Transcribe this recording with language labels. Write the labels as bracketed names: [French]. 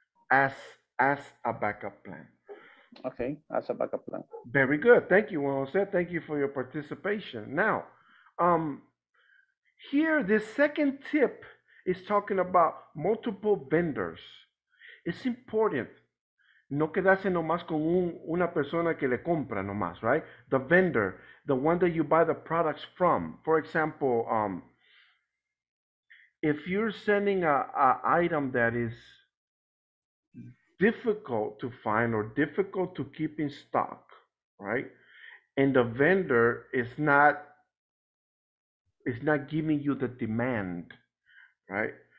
[English] As a backup plan. Okay, as a backup plan. Very good. Thank you, Juan Jose. Thank you for your participation. Now, here, the second tip is talking about multiple vendors. It's important. [Spanish] No quedarse nomás con una persona que le compra nomás, [English] right? The vendor, the one that you buy the products from. For example, if you're sending an item that is difficult to find or difficult to keep in stock, right? And the vendor is not giving you the demand, right?